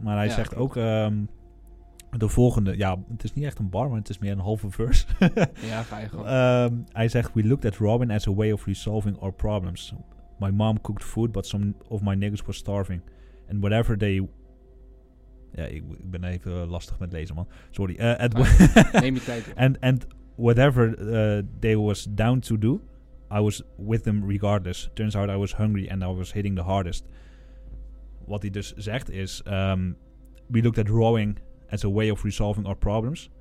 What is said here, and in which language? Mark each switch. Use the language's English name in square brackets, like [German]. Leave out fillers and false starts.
[Dutch] Maar hij zegt ook de volgende. Ja, het is niet echt een bar, maar het is meer een halve verse. Ja, ga je gewoon. Hij zegt, [English] we looked at Robin as a way of resolving our problems. My mom cooked food, but some of my niggas were starving. And whatever they... [Dutch] Ja, ik ben even lastig met lezen, man. Sorry. Neem je tijd. [English] And whatever they was down to do, I was with them regardless. Turns out I was hungry and I was hitting the hardest. [Dutch] Wat hij dus zegt is... [English] we looked at rowing as a way of resolving our problems.